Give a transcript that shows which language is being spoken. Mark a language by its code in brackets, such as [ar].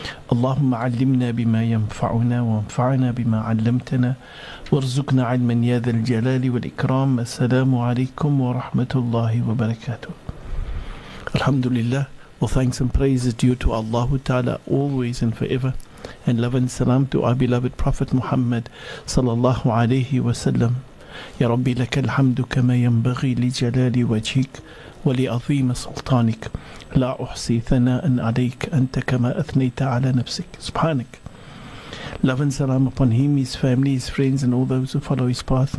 [ar] اللهم علمنا بما ينفعنا وانفعنا بما علمتنا وارزقنا علما يا ذا الجلال والإكرام. السلام عليكم ورحمة الله وبركاته. الحمد لله. [en] Well, thanks and praise is due to Allah Ta'ala always and forever, and love and salam to our beloved Prophet Muhammad sallallahu alayhi wa sallam. [ar] يا ربي لك الحمد كما ينبغي لجلال وجهك ولعظيم سلطانك لا أحصي ثناء عليك أنت كما أثنيت على نفسك سبحانك. [en] Love and salam upon him, his family, his friends, and all those who follow his path.